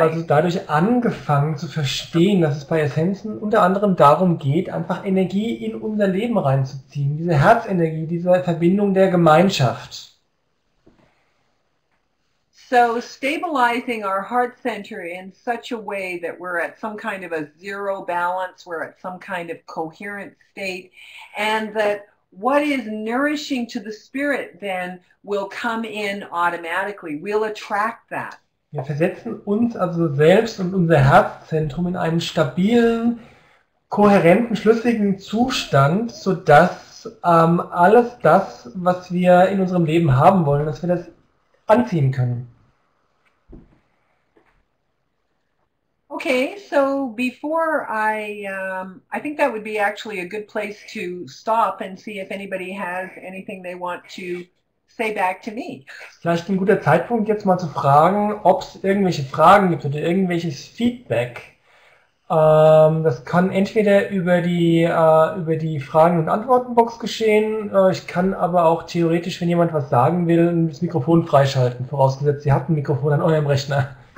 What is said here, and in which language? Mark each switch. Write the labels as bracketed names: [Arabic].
[German] Ich habe also dadurch angefangen zu verstehen, dass es bei Essenzen unter anderem darum geht, einfach Energie in unser Leben reinzuziehen, diese Herzenergie, diese Verbindung der Gemeinschaft. [English] So stabilizing our heart center in such a way that we're at some kind of a zero balance, we're at some kind of coherent state, and that what is nourishing to the spirit then will come in automatically. We'll attract that. [German] Wir versetzen uns also selbst und unser Herzzentrum in einen stabilen, kohärenten, schlüssigen Zustand, sodass alles das, was wir in unserem Leben haben wollen, dass wir das anziehen können. Okay, so before I think that would be actually a good place to stop and see if anybody has anything they want to say back to me. Vielleicht ein guter Zeitpunkt, jetzt mal zu fragen, ob es irgendwelche Fragen gibt oder irgendwelches Feedback. Das kann entweder über die Fragen- und Antwortenbox geschehen. Ich kann aber auch theoretisch, wenn jemand was sagen will, das Mikrofon freischalten, vorausgesetzt, ihr habt ein Mikrofon an eurem Rechner.